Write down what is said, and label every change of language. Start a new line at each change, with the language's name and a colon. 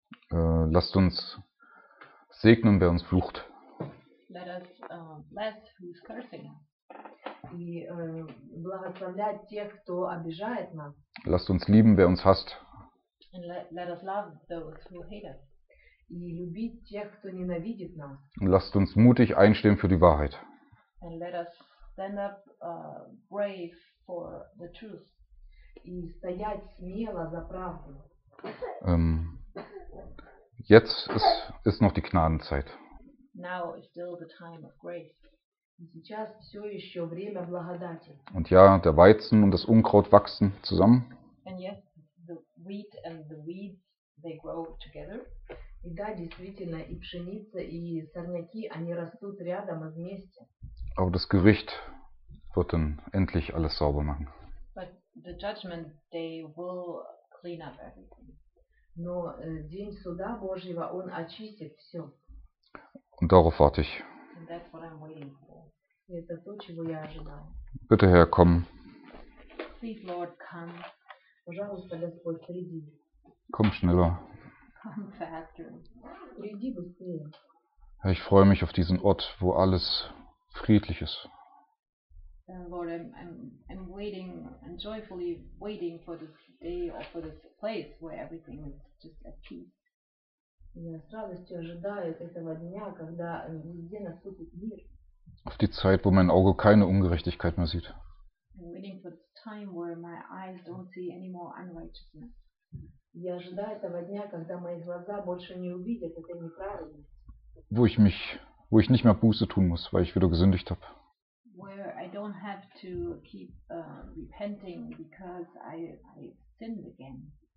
German: Lasst uns segnen, wer uns flucht.
English: Let us bless who's cursing.
Russian: И благословлять тех, кто обижает нас.
German: Lasst uns lieben, wer uns hasst.
English: And let us love those who hate us.
Russian: И любить тех, кто ненавидит нас.
German: Lasst uns mutig einstehen für die Wahrheit.
English: And let us stand up brave for the truth.
Russian: И стоять смело за правду.
German: Jetzt ist noch die Gnadenzeit.
English: Now is still the time of grace.
German: Und
Russian: сейчас все еще время благодати.
German: Und ja, der Weizen und das Unkraut wachsen zusammen.
English: And yes, the wheat and the weeds, they grow together.
Russian: И да, действительно, и пшеница, и сорняки, они растут рядом и вместе.
German: Aber das Gericht wird dann endlich alles sauber machen.
English: But the judgment day will clean up everything.
Russian: Но день суда Божьего, он очистит все.
German: Und darauf warte ich.
English: And that's what I'm waiting for.
Russian: Это то, чего я ожидаю.
German: Bitte, Herr, komm.
English: Please, Lord, come.
Russian: Пожалуйста, Господь, приди.
German: Komm schneller.
English: Come faster.
Russian: Приди быстрее.
German: Herr, ich freue mich auf diesen Ort, wo alles friedlich ist.
English: Lord, I'm waiting and joyfully waiting for this day or for this place where everything is just at peace.
Russian: Я с радостью ожидаю этого дня, когда везде наступит мир.
German: Auf die Zeit, wo mein Auge keine Ungerechtigkeit mehr sieht.
English: I'm waiting for this time where my eyes don't see any more unrighteousness.
Russian: Я ожидаю этого дня, когда мои глаза больше не увидят этой неправедности.
German: Wo ich nicht mehr Buße tun muss, weil ich wieder gesündigt habe.
English: Where I don't have to keep repenting because I sinned again.